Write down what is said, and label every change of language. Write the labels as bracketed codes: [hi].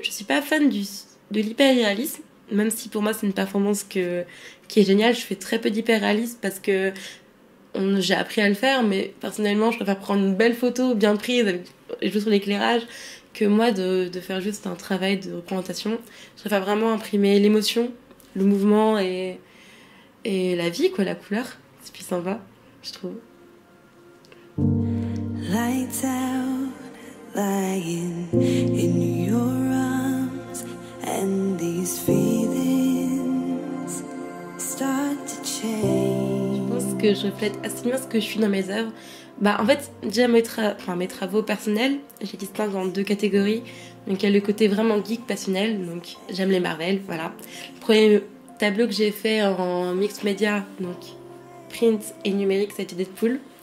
[fr] Je suis pas fan de l'hyperréalisme, même si pour moi c'est une performance qui est géniale. Je fais très peu d'hyperréalisme parce que j'ai appris à le faire, mais personnellement je préfère prendre une belle photo bien prise avec juste l'éclairage que moi de faire juste un travail de représentation. Je préfère vraiment imprimer l'émotion, le mouvement et la vie, quoi, la couleur. C'est plus sympa, je trouve. [en] Lights out, lying in your arms and these feelings start to change. [fr] Je pense que je reflète assez bien ce que je suis dans mes œuvres. Bah, en fait, déjà mes travaux personnels, je les distingue en deux catégories. Donc, il y a le côté vraiment geek passionnel, donc j'aime les Marvel, voilà. Le premier tableau que j'ai fait en mixed media, donc print et numérique, c'était Deadpool.